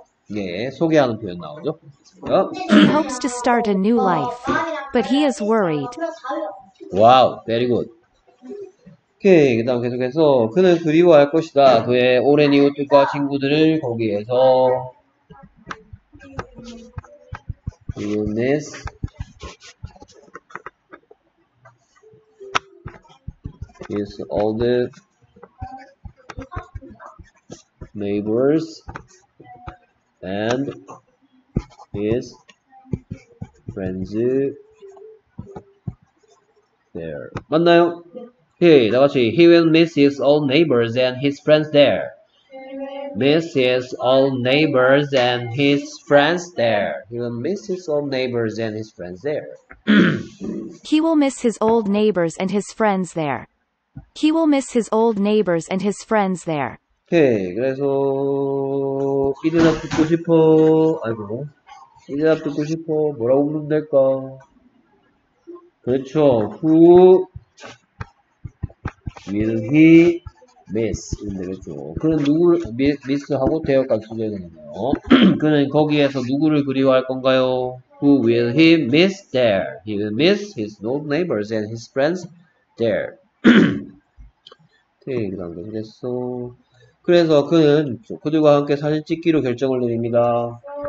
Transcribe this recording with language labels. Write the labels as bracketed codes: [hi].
[ko] 네, 소개하는 표현 나오죠? [en] He hopes to start a new life, but he is worried. Wow, very good. [ko] 오케이, 그 다음 계속해서 그는 그리워할 것이다. 그의 오랜 이웃들과 친구들을 거기에서 [en] You miss his old neighbors and his friends there. [ko] 맞나요? 예, 다같이 [en] He will miss his old neighbors and his friends there. Miss his old neighbors and his friends there. He will miss his old neighbors and his friends there. He will miss his old neighbors and his friends there. He will miss his old neighbors and his friends there. [ko] 오케이, 그래서 이대답 듣고 싶어. 아이고, 이대답 듣고 싶어. 뭐라고 부르면 될까? 그렇죠. [en] Who will he miss? [ko] 그렇죠. 그는 누구를 miss하고 대역까지 쓰셔야 되네요. 그는 거기에서 누구를 그리워할 건가요? [en] Who will he miss there? He will miss his old neighbors and his friends there. [ko] 네, 그 다음 계속했어. 그래서 그는 그들과 함께 사진 찍기로 결정을 내립니다.